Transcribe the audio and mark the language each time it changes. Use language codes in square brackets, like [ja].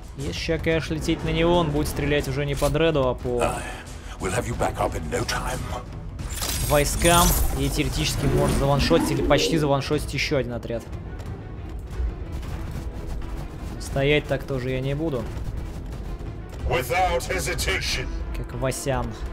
[ru] Сейчас, конечно, лететь на него, он будет стрелять уже не по Дреду, а по... [en] We'll have you back up in no time. [ru] войскам и теоретически может заваншотить или почти заваншотить еще один отряд. Стоять так тоже я не буду. Как Васян.